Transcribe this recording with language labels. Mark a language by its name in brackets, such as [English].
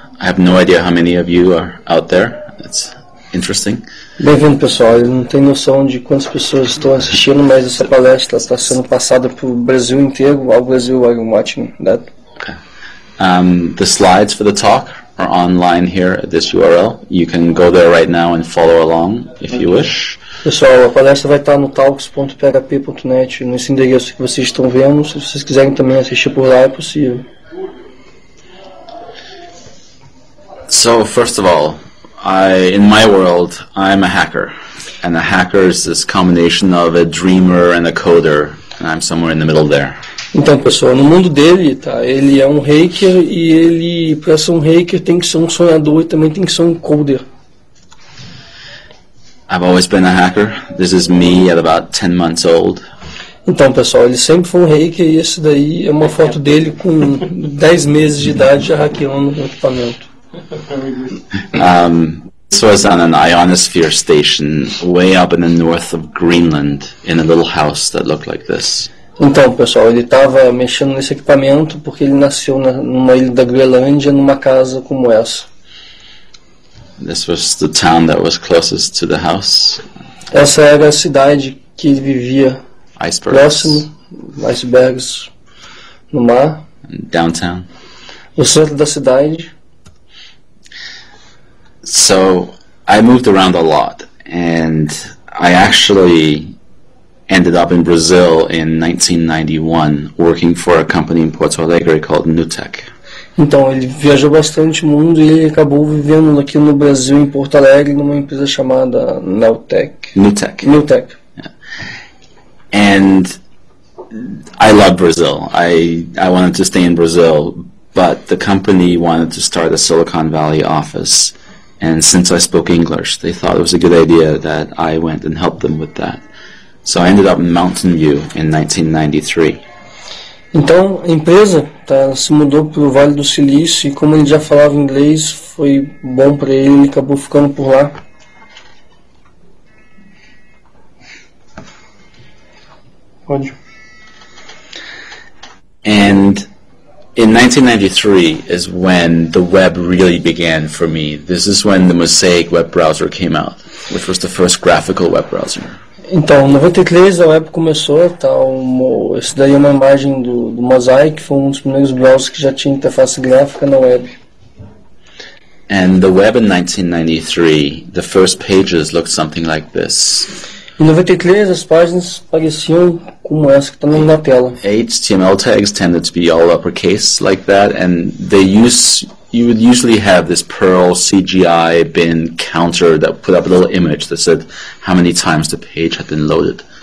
[English] I have no idea how many of you are out there. That's interesting. [Portuguese] Bem-vindo, pessoal. Eu não tenho noção de quantas pessoas estão assistindo, mas essa palestra está sendo passada para o Brasil inteiro. Ao Brasil, [English] are you watching that? Okay. The slides for the talk are online here at this URL. You can go there right now and follow along if you wish. [Portuguese] Pessoal, a palestra vai estar no talks.php.net, nesse endereço que vocês estão vendo. Se vocês quiserem também assistir por lá, é possível. [English] So, first of all, in my world, I'm a hacker, and a hacker is this combination of a dreamer and a coder, and I'm somewhere in the middle there. [Portuguese] Então, pessoal, no mundo dele, tá? Ele é um hacker e ele, para ser um hacker, tem que ser um sonhador e também tem que ser um coder. [English] I've always been a hacker. This is me at about 10 months old. [Portuguese] Então, pessoal, ele sempre foi um hacker e esse daí é uma foto dele com 10 meses de idade já hackeando o equipamento. [English] This was on an ionosphere station way up in the north of Greenland in a little house that looked like this. [Portuguese] Então, pessoal, ele estava mexendo nesse equipamento porque ele nasceu numa ilha da Groenlândia numa casa como essa. [English] This was the town that was closest to the house. [Portuguese] Essa era a cidade que ele vivia. [English] Icebergs. [Portuguese] Próximo, icebergs no mar. [English] Downtown. [Portuguese] O centro da cidade. [English] So, I moved around a lot, and I actually ended up in Brazil in 1991, working for a company in Porto Alegre called Nutec. [Portuguese] Então, ele viajou bastante o mundo e ele acabou vivendo aqui no Brasil, em Porto Alegre, numa empresa chamada Nutec. [English] Nutec. Yeah. And I love Brazil. I wanted to stay in Brazil, but the company wanted to start a Silicon Valley office. And since I spoke English, they thought it was a good idea that I went and helped them with that. So I ended up in Mountain View in 1993. [Portuguese] Então, a empresa tá, se mudou para o Vale do Silício e como ele já falava inglês, foi bom para ele e acabou ficando por lá. [English] Okay. [Portuguese] Pode. [English] And in 1993 is when the web really began for me. This is when the Mosaic web browser came out, which was the first graphical web browser. [Portuguese] Então, em 93 a web começou, tá, isso daí é uma imagem do Mosaic, que foi um dos primeiros browsers que já tinha interface gráfica na web. [English] And the web in 1993, the first pages looked something like this. [Portuguese] Em 93 as páginas pareciam como essa que está na tela. [English] HTML tags tended to be all uppercase like that, and they you would usually have this Perl CGI bin counter that put up a little image that said how many times the page had been loaded.